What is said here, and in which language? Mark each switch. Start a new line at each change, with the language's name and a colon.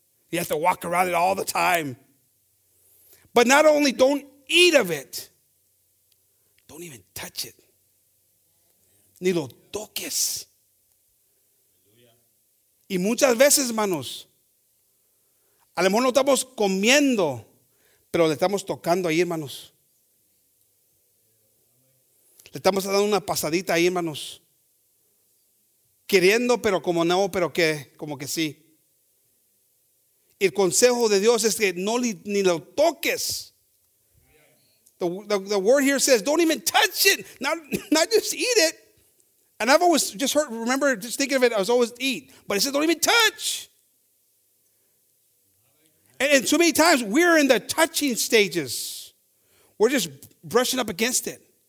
English: You have to walk around it all the time. But not only don't eat of it, don't even touch it.
Spanish: Ni lo toques. Y muchas veces, hermanos, a lo mejor no estamos comiendo, pero le estamos tocando ahí, hermanos. Le estamos dando una pasadita ahí, hermanos. Queriendo, pero como no, pero que, como que sí. El consejo de Dios es que no ni lo toques.
English: The word here says, don't even touch it. Not just eat it. And I've always just heard, remember, just thinking of it, I was always eat. But it says, don't even touch. And so many times, we're in the touching stages. We're just brushing up against it.